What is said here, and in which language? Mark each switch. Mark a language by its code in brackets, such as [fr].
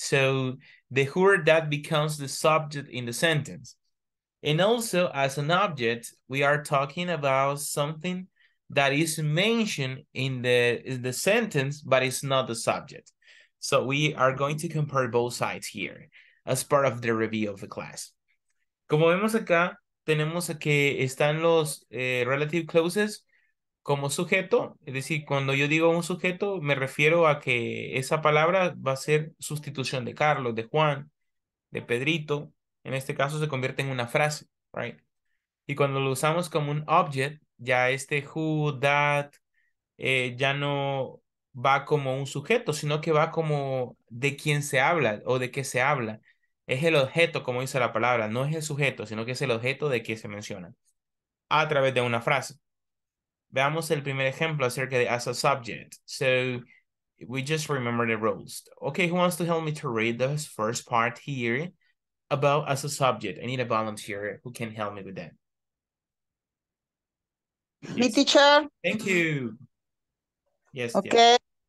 [en] So the who or that becomes the subject in the sentence. And also as an object, we are talking about something that is mentioned in the sentence, but it's not the subject. So we are going to compare both sides here as part of the review of the class. [es] Como vemos acá, tenemos que están los relative clauses como sujeto. Es decir, cuando yo digo un sujeto, me refiero a que esa palabra va a ser sustitución de Carlos, de Juan, de Pedrito. En este caso se convierte en una frase, right? Y cuando lo usamos como un object, ya este who, that, ya no va como un sujeto, sino que va como de quién se habla o de qué se habla. Es el objeto, como dice la palabra, no es el sujeto, sino que es el objeto de qué se menciona a través de una frase. Veamos el primer ejemplo acerca de [en] as a subject. So, we just remember the rules. Okay, who wants to help me to read the first part here? About as a subject, I need a volunteer who can help me with that. Me, yes. Teacher. Thank you. Yes. Okay. Yes.